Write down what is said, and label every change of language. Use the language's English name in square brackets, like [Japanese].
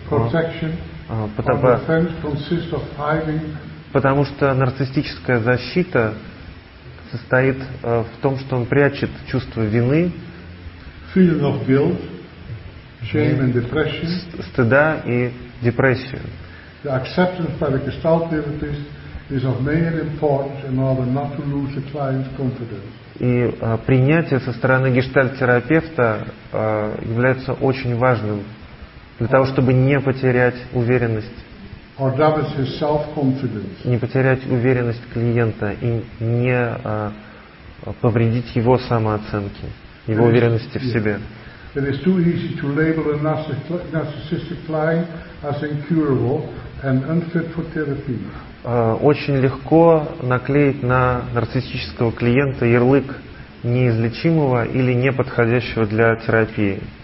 [English] Or defense consists of hiding. [Russian] Потому что нарциссическая защита состоит в том, что он прячет чувство вины, [English] feeling of guilt, shame and depression. [Russian] Стыда и депрессию. [English] The acceptance by the Gestalt therapist is of major importance in order not to lose the client's confidence. [Russian] И принятие со стороны гештальт-терапевта является очень важным для того, чтобы не потерять уверенность. [English] Or damage his self-confidence. [Russian] Не потерять уверенность клиента и не повредить его самооценке, его уверенности в себе. [English] It is too easy to label a narcissistic client as incurable and unfit for therapy. [Russian] Очень легко наклеить на нарциссического клиента ярлык неизлечимого или неподходящего для терапии.